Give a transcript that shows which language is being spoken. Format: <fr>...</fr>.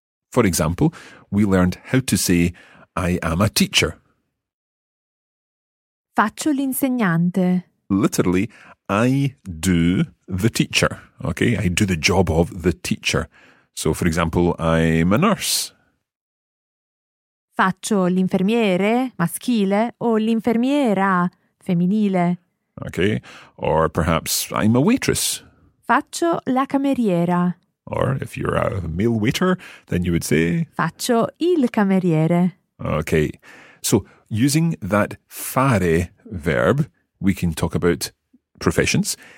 <en>For example, we learned how to say, I am a teacher.</en> <it>Faccio l'insegnante.</it> <en>Literally, I do the teacher. Okay, I do the job of the teacher. So, for example, I'm a nurse.</en> <it>Faccio l'infermiere maschile o l'infermiera femminile.</it> <en>Okay, or perhaps I'm a waitress.</en> <it>Faccio la cameriera.</it> <en>Or if you're a male waiter, then you would say...</en> <it>Faccio il cameriere.</it> <en>Okay. So using that fare verb, we can talk about professions.</en>